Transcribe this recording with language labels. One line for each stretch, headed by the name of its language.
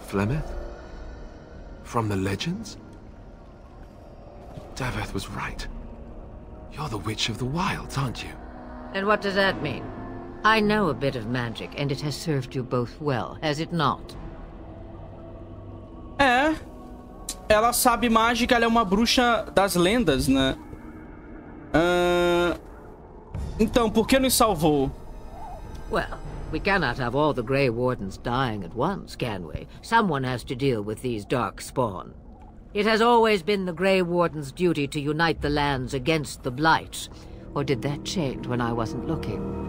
English: Flemeth? From the legends? Daveth was right. You're the Witch of the Wilds, aren't you? And what does that mean? I know a bit of magic, and it has served you both well, has it not?
Portuguese: É. Ela sabe mágica, ela é uma bruxa das lendas, né? Então, por que nos salvou?
English: Well, we cannot have all the Grey Wardens dying at once, can we? Someone has to deal with these dark spawn. It has always been the Grey Warden's duty to unite the lands against the Blight. Or did that change when I wasn't looking?